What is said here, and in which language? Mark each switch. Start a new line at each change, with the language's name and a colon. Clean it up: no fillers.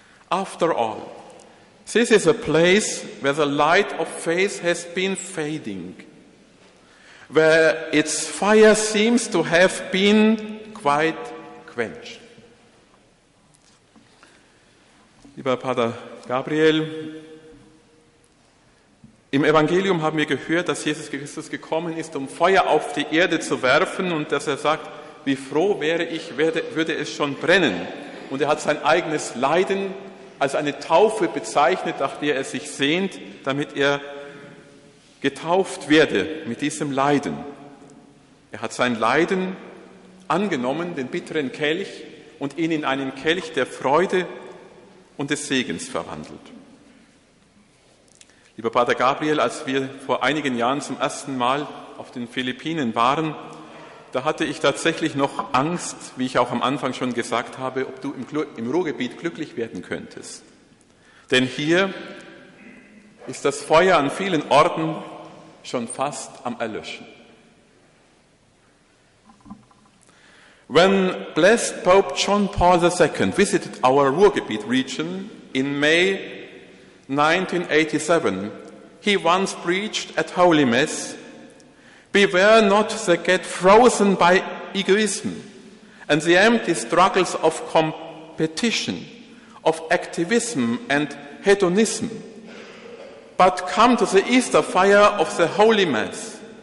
English: After all, this is a place where the light of faith has been fading, where its fire seems to have been quite quenched.
German: Lieber Pater Gabriel, im Evangelium haben wir gehört, dass Jesus Christus gekommen ist, um Feuer auf die Erde zu werfen und dass er sagt, wie froh wäre ich, würde es schon brennen. Und er hat sein eigenes Leiden als eine Taufe bezeichnet, nach der er sich sehnt, damit er getauft werde mit diesem Leiden. Er hat sein Leiden angenommen, den bitteren Kelch, und ihn in einen Kelch der Freude und des Segens verwandelt. Lieber Pater Gabriel, als wir vor einigen Jahren zum ersten Mal auf den Philippinen waren, da hatte ich tatsächlich noch Angst, wie ich auch am Anfang schon gesagt habe, ob du im Ruhrgebiet glücklich werden könntest. Denn hier ist das Feuer an vielen Orten schon fast am Erlöschen.
English: When blessed Pope John Paul II visited our Ruhrgebiet region in May 1987, he once preached at Holy Mass, "Beware not to get frozen by egoism and the empty struggles of competition, of activism and hedonism, but come to the Easter fire of the Holy Mass.